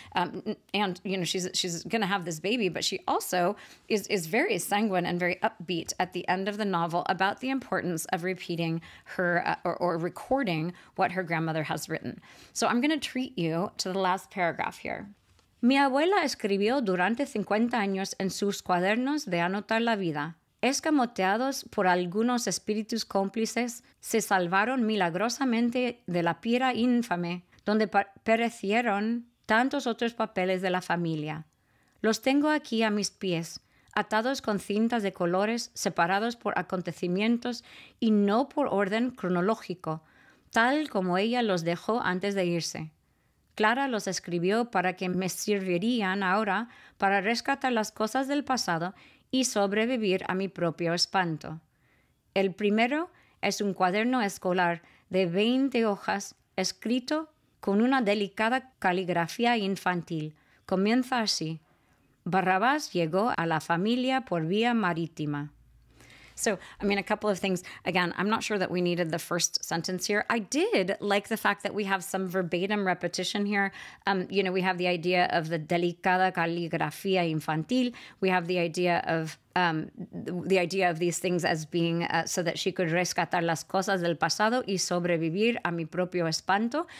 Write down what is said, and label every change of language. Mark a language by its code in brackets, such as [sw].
[en] And you know, she's going to have this baby, but she also is very sanguine and very upbeat at the end of the novel about the importance of repeating her or recording what her grandmother has written. So I'm going to treat you to the last paragraph here. [es] Mi abuela escribió durante 50 años en sus cuadernos de anotar la vida. Escamoteados por algunos espíritus cómplices, se salvaron milagrosamente de la pira infame donde perecieron tantos otros papeles de la familia. Los tengo aquí a mis pies, atados con cintas de colores, separados por acontecimientos y no por orden cronológico, tal como ella los dejó antes de irse. Clara los escribió para que me sirvieran ahora para rescatar las cosas del pasado y sobrevivir a mi propio espanto. El primero es un cuaderno escolar de 20 hojas, escrito con una delicada caligrafía infantil. Comienza así. Barrabás llegó a la familia por vía marítima. [en] So, I mean, a couple of things. Again, I'm not sure that we needed the first sentence here. I did like the fact that we have some verbatim repetition here. You know, we have the idea of the [es] delicada caligrafía infantil. [en] We have the idea of these things as being so that she could [es] rescatar las cosas del pasado y sobrevivir a mi propio espanto.